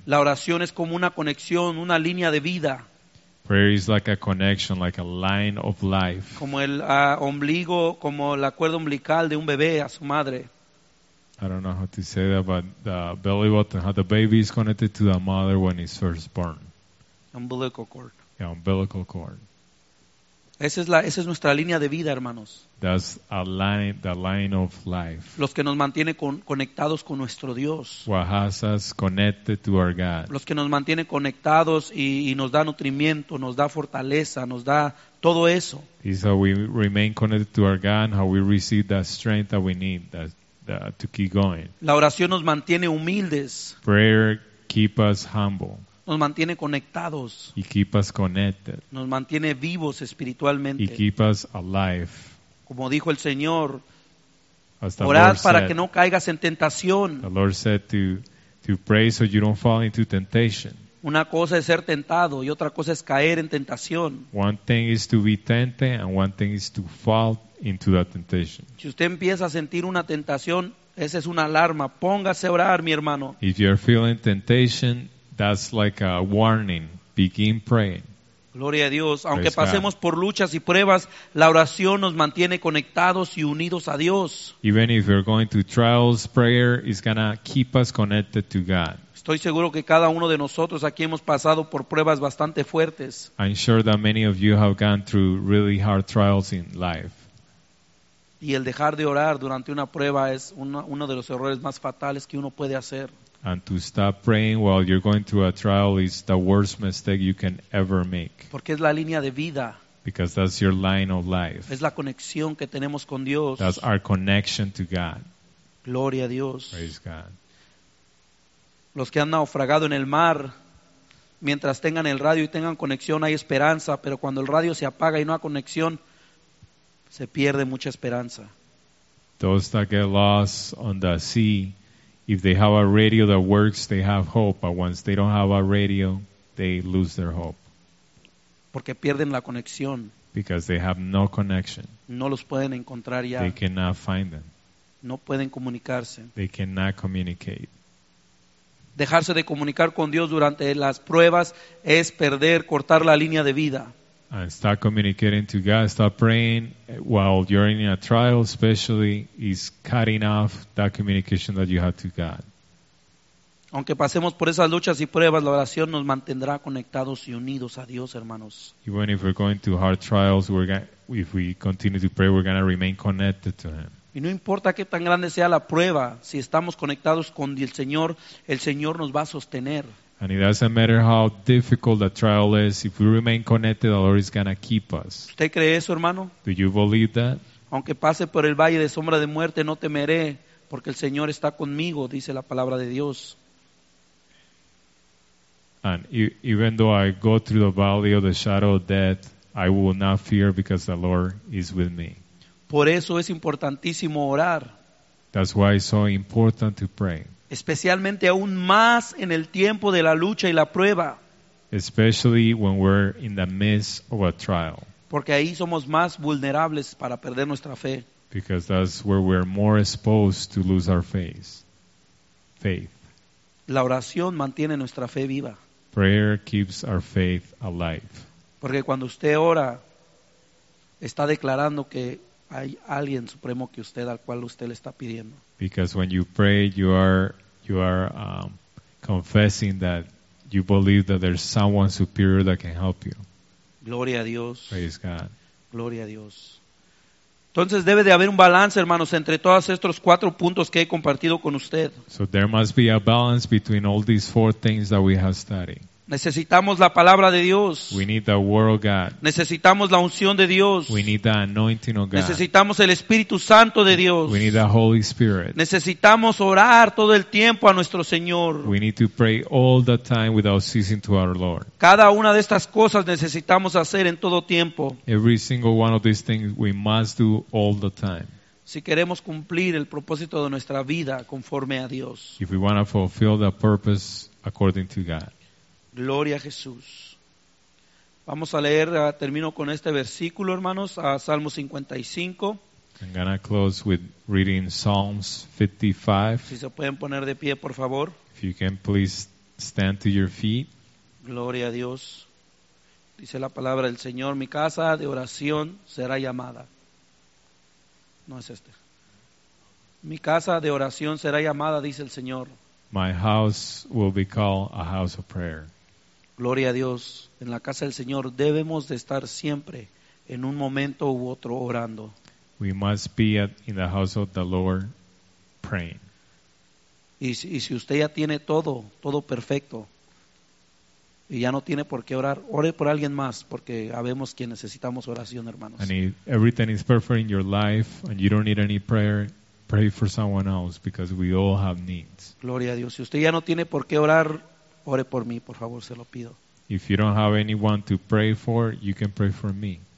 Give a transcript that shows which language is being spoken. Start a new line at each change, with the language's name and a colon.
Spanish: La oración es como una conexión, una línea de vida.
English: Prayer is like a connection, like a line of life.
Spanish: Como el ombligo, como la cuerda umbilical de un bebé a su madre.
English: I don't know how to say that, but the belly button, how the baby is connected to the mother when he's first born. Umbilical cord. Yeah, umbilical cord.
Spanish: Esa es nuestra línea de vida, hermanos.
English: That's the line of life.
Spanish: Los que nos mantiene conectados con nuestro Dios.
English: What has us connected to our God.
Spanish: Los que nos mantiene conectados y nos da nutrimiento, nos da fortaleza, nos da todo eso.
English: It's how we remain connected to our God, how we receive that strength that we need, to keep going.
Spanish: La oración nos mantiene humildes.
English: Prayer keep us humble.
Spanish: Nos mantiene conectados.
English: Y keep us connected.
Spanish: Nos mantiene vivos espiritualmente.
English: Y keep us alive.
Spanish: Como dijo el Señor,
English: as the
Spanish: orad
English: Lord
Spanish: para
English: said,
Spanish: que no caigas en tentación.
English: The Lord said to pray so you don't fall into temptation.
Spanish: Una cosa es ser tentado y otra cosa es caer en tentación.
English: One thing is to be tempted and one thing is to fall into that temptation.
Spanish: Si usted empieza a sentir una tentación, esa es una alarma. Póngase a orar, mi hermano.
English: If you're feeling temptation, that's like a warning. Begin praying.
Spanish: Gloria a Dios. Aunque pasemos por luchas y pruebas, la oración nos mantiene conectados y unidos a Dios.
English: Even if we're going through trials, prayer is going to keep us connected to God.
Spanish: Estoy seguro que cada uno de nosotros aquí hemos pasado por pruebas bastante fuertes.
English: I'm sure that many of you have gone through really hard trials in life.
Spanish: Y el dejar de orar durante una prueba es uno de los errores más fatales que uno puede hacer.
English: And to stop praying while you're going through a trial is the worst mistake you can ever make.
Spanish: Porque es la línea de vida.
English: Because that's your line of life.
Spanish: Es la conexión que tenemos con Dios.
English: That's our connection to God.
Spanish: Gloria a Dios.
English: Praise God.
Spanish: Los que han naufragado en el mar, mientras tengan el radio y tengan conexión, hay esperanza. Pero cuando el radio se apaga y no hay conexión, se pierde mucha esperanza.
English: Those that get lost on the sea, if they have a radio that works, they have hope. But once they don't have a radio, they lose their hope.
Spanish: Porque pierden la conexión.
English: Because they have no connection.
Spanish: No los pueden encontrar ya.
English: They cannot find them.
Spanish: No pueden comunicarse.
English: They cannot communicate.
Spanish: Dejarse de comunicar con Dios durante las pruebas es perder, cortar la línea de vida.
English: And stop communicating to God, stop praying while you're in a trial, especially is cutting off that communication that you have to God.
Spanish: Aunque pasemos por esas luchas y pruebas, la oración nos mantendrá conectados y unidos a Dios, hermanos.
English: Even if we're going through hard trials, if we continue to pray, we're going to remain connected to Him.
Spanish: Y no importa qué tan grande sea la prueba, si estamos conectados con el Señor nos va a sostener.
English: And it doesn't matter how difficult the trial is, if we remain connected, the Lord is going to keep us.
Spanish: ¿Usted cree eso, hermano?
English: Do you believe that?
Spanish: Aunque pase por el valle de sombra de muerte, no temeré, porque el Señor está conmigo, dice la palabra de Dios.
English: And even though I go through the valley of the shadow of death, I will not fear because the Lord is with me.
Spanish: Por eso es importantísimo orar.
English: That's why it's so important to pray.
Spanish: Especialmente aún más en el tiempo de la lucha y la prueba.
English: Especially when we're in the midst of a trial.
Spanish: Porque ahí somos más vulnerables para perder nuestra fe.
English: Because that's where we're more exposed to lose our faith.
Spanish: La oración mantiene nuestra fe viva.
English: Prayer keeps our faith alive.
Spanish: Porque cuando usted ora, está declarando que hay alguien supremo que usted al cual usted le está pidiendo.
English: Because when you pray, you are confessing that you believe that there's someone superior that can help you.
Spanish: Gloria a Dios.
English: Praise God.
Spanish: Gloria a Dios. Entonces debe de haber un balance, hermanos, entre todos estos cuatro puntos que he compartido con usted.
English: So there must be a balance between all these four things that we have studied.
Spanish: Necesitamos la palabra de Dios.
English: We need the word of God.
Spanish: Necesitamos la unción de Dios.
English: We need the anointing of God.
Spanish: Necesitamos el Espíritu Santo de Dios.
English: We need the Holy Spirit.
Spanish: Necesitamos orar todo el tiempo a nuestro Señor.
English: We need to pray all the time without ceasing to our Lord.
Spanish: Cada una de estas cosas necesitamos hacer en todo tiempo.
English: Every single one of these things we must do all the time.
Spanish: Si queremos cumplir el propósito de nuestra vida conforme a Dios.
English: If we want to fulfill the purpose according to God.
Spanish: Gloria a Jesús. Vamos a leer, termino con este versículo, hermanos, a Salmo 55.
English: I'm going to close with reading Psalms 55.
Spanish: Si se pueden poner de pie, por favor.
English: If you can please stand to your feet.
Spanish: Gloria a Dios. Dice la palabra del Señor, mi casa de oración será llamada. No es este. Mi casa de oración será llamada, dice el Señor.
English: My house will be called a house of prayer.
Spanish: Gloria a Dios, en la casa del Señor debemos de estar siempre en un momento u otro orando.
English: We must be in the house of the Lord praying.
Spanish: Y si usted ya tiene todo perfecto y ya no tiene por qué orar, ore por alguien más porque sabemos que necesitamos oración, hermanos.
English: And if everything is perfect in your life and you don't need any prayer, pray for someone else because we all have needs.
Spanish: Gloria a Dios, si usted ya no tiene por qué orar, ore por mí, por favor, se lo pido.
English: If you don't have anyone to pray for, you can pray for me.